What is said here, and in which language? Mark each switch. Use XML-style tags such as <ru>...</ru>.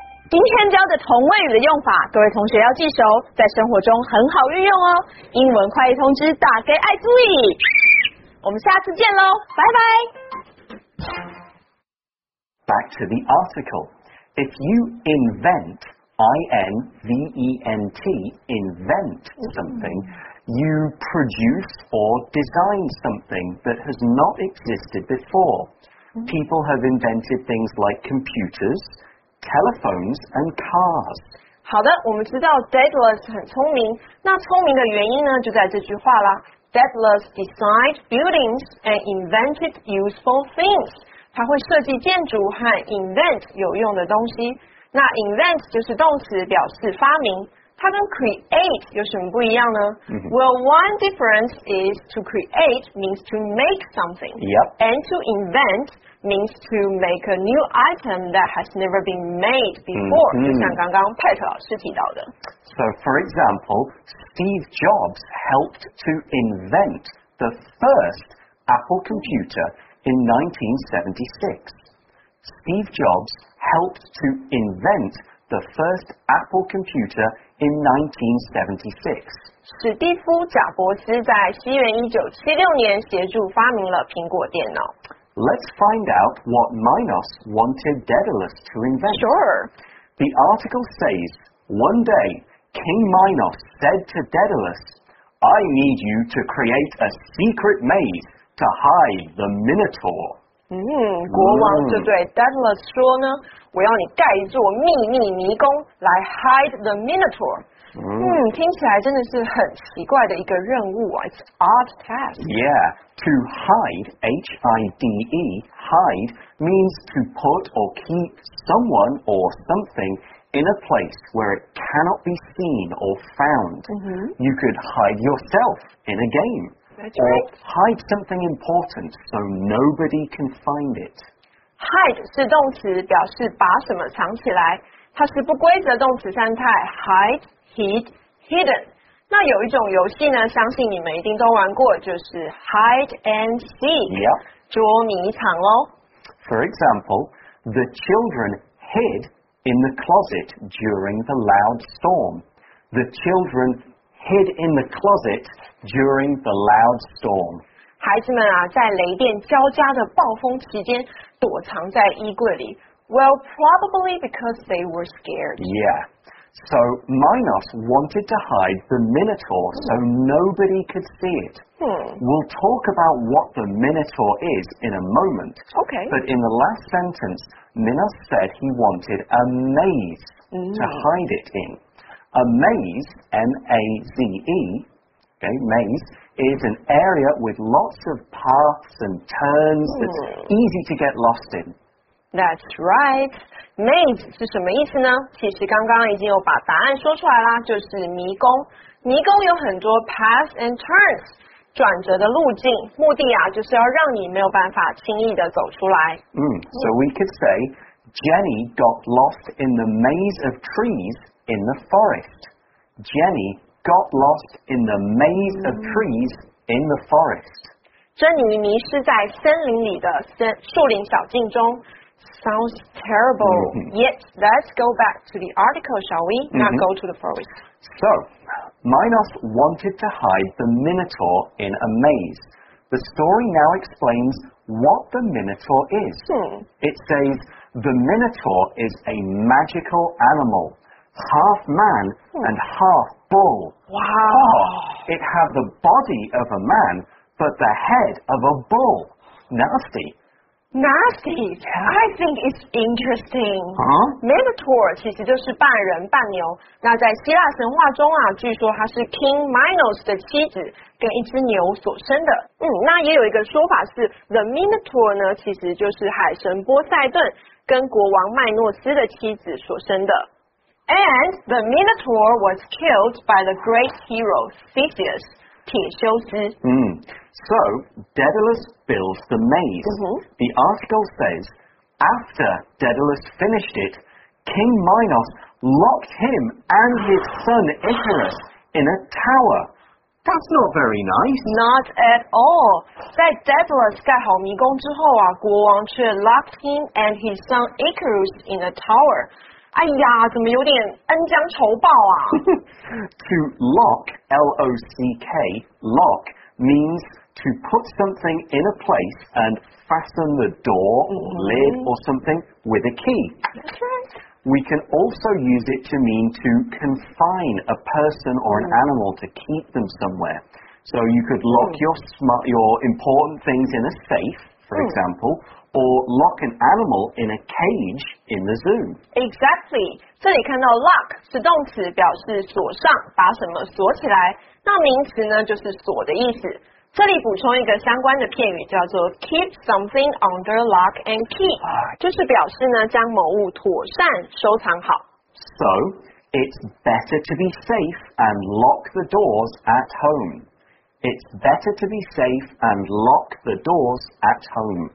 <zh>今天教的同位语的用法，各位同学要记熟，在生活中很好运用哦。英文快译通知打给爱注意，我们下次见咯，拜拜。</zh> <en>Back to the article. If you invent I-N-V-E-N-T invent somethingYou produce or design something that has not existed before. People have invented things like computers, telephones, and cars.</en> <zh>好的，我们知道 Daedalus 很聪明，那聪明的原因呢，就在这句话啦。</zh> <en>Daedalus designed buildings and invented useful things.</en> <zh>他会设计建筑和 invent 有用的东西。那 invent 就是动词，表示发明。它跟 create 有什么不一样呢、 mm-hmm.</zh> <en>Well, one difference is to create means to make something. Yep. And to invent means to make a new item that has never been made before.、 Mm-hmm.</en> <zh>就像刚刚 Pat 老师提到的。</zh> <en>So, for example, Steve Jobs helped to invent the first Apple computer in 1976. Steve Jobs helped to invent the first Apple computer in 1976.</en> <zh>史蒂夫·贾伯斯在西元1976年协助发明了苹果电脑。</zh> <en>Let's find out what Minos wanted Daedalus to invent. Sure. The article says, one day... King Minos said to Daedalus, I need you to create a secret maze to hide the Minotaur.</en> <zh>国王就对 Daedalus 说呢，我要你盖一座秘密迷宫来</zh> <en>hide the Minotaur.</en> <zh>听起来真的是很奇怪的一个任务啊。</zh> <en>It's odd task. Yeah, to hide, H-I-D-E, hide, means to put or keep someone or somethingin a place where it cannot be seen or found.、 Mm-hmm. You could hide yourself in a game. That's or right. Or hide something important so nobody can find it.</en> <zh>Hide 是动词，表示把什么藏起来。它是不规则动词三态 hide, hid, hidden. 那有一种游戏呢，相信你们一定都玩过，就是</zh> <en>hide and seek. Yep.</en> <zh>捉迷藏咯。</zh> <en>For example, the children hidin the closet during the loud storm. The children hid in the closet during the loud storm. 孩子们啊，在雷电交加的暴风期间躲藏在衣柜里。 Well, probably because they were scared. Yeah. So Minos wanted to hide the Minotaur so nobody could see it. We'll talk about what the Minotaur is in a moment. Okay. But in the last sentence... Minos said he wanted a maze to hide it in. A maze, M-A-Z-E, okay, maze, is an area with lots of paths and turns that's easy to get lost in. That's right.</en> <zh>Maze 是什么意思呢？其实刚刚已经有把答案说出来啦，就是迷宫。迷宫有很多</zh> <en>paths and turns,</en> <zh>转折的路径，目的啊，就是要让你没有办法轻易的走出来。</zh> <en>So we could say, Jenny got lost in the maze of trees in the forest. Jenny got lost in the maze of trees in the forest. 珍妮迷失在森林里的树林小径中。 Sounds terrible. Yet, let's go back to the article, shall we? Not go to the forest. So, Minos wanted to hide the Minotaur in a maze. The story now explains what the Minotaur is. It says, the Minotaur is a magical animal, half man and half bull. Wow. Oh, it has the body of a man, but the head of a bull. Nasty. Nasty, I think it's interesting. Huh?</en> <zh>Minotaur 其实就是半人半牛。那在希腊神话中啊，据说它是 King Minos 的妻子跟一只牛所生的。那也有一个说法是 ，The Minotaur 呢，其实就是海神波塞顿跟国王麦诺斯的妻子所生的。</zh> <en>And the Minotaur was killed by the great hero Theseus, 铁修斯。 So, Daedalus builds the maze. The article says, after Daedalus finished it, King Minos locked him and his son Icarus in a tower. That's not very nice. Not at all.</en> <zh>在 Daedalus 盖好迷宫之后啊，国王却</zh> <en>locked him and his son Icarus in a tower.</en> <zh>哎呀，怎么有点恩将仇报啊？</zh> <en>To lock, L-O-C-K, lock, means... to put something in a place and fasten the door or lid or something with a key. That's right. We can also use it to mean to confine a person or an animal to keep them somewhere. So you could lock your important things in a safe, for example, or lock an animal in a cage in the zoo. Exactly.</en> <zh>这里看到 lock 是动词，表示锁上，把什么锁起来。那名词呢，就是锁的意思。这里补充一个相关的片语叫做</zh> <en>keep something under lock and key,</en> <zh>就是表示呢将某物妥善收藏好。</zh> <en>So, It's better to be safe and lock the doors at home. It's better to be safe and lock the doors at home.</en>